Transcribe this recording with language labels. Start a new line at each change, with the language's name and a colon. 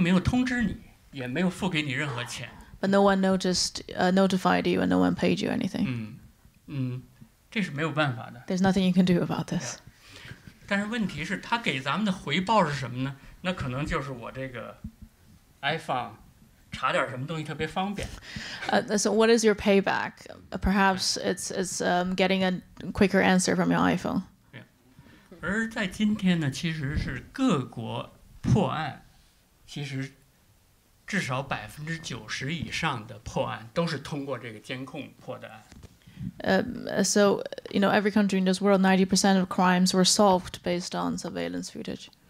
Chinese: 所以呢，这个，但是他并没有通知你，也没有付给你任何钱。But
English: no one noticed, notified you, and no one paid you anything.
Chinese: 嗯，这是没有办法的。There's
English: nothing you can do about this.
Chinese: 但是问题是，他给咱们的回报是什么呢？那可能就是我这个 iPhone。
English: So what is your payback? Perhaps it's getting a quicker answer from your iPhone. Yeah.
Chinese: 而在今天呢，其实是各国破案，其实至少90%以上的破案都是通过这个监控破的案。
English: So you know, every country in this world, 90% of crimes were solved based on surveillance footage.